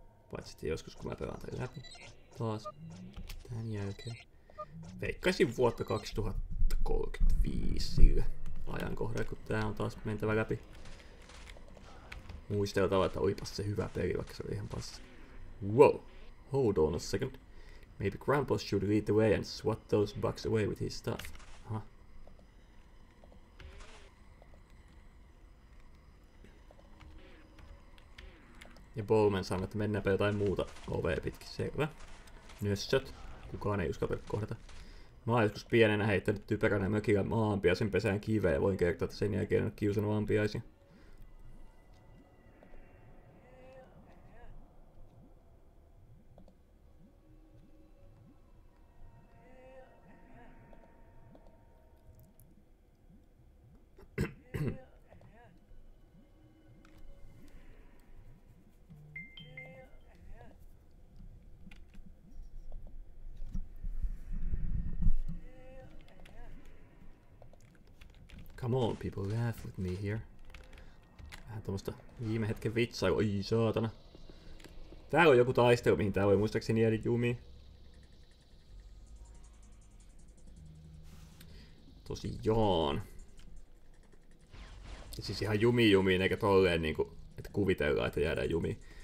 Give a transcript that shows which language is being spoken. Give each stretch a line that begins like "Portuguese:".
Finnish: Paitsi sitten joskus, kun mä pelaan tän läpi. Taas. Tän jälkeen. Veikkaisin vuotta 2035 sille ajankohdalle, kun tää on taas mentävä läpi. Muisteltava, että olipas se hyvä peli, vaikka se oli ihan passi.
English: Whoa! Hold on a second. Maybe Grandpa should lead the way and swat those bugs away with his stuff. Huh?
Finnish: Ja Bowman sanoo, että mennäänpä jotain muuta ovea pitkin. Selvä. Nössöt. Kukaan ei uskalla kohdata. Mä oon joskus pienenä heittänyt typeränä mökillä maanpiaisen pesään kiveä ja voin kertoa, että sen jälkeen en ole kiusannut maanpiaisia.
English: Come on, people laugh with me here.
Finnish: Vähän tommosta viime hetken vitsaa, oi saatana. Täällä on joku taistelu, mihin tää voi muistaakseni jäädä jumiin. Tosiaan. Ja siis ihan jumiin, eikä tolleen niinku, että kuvitellaan, että jäädään jumiin.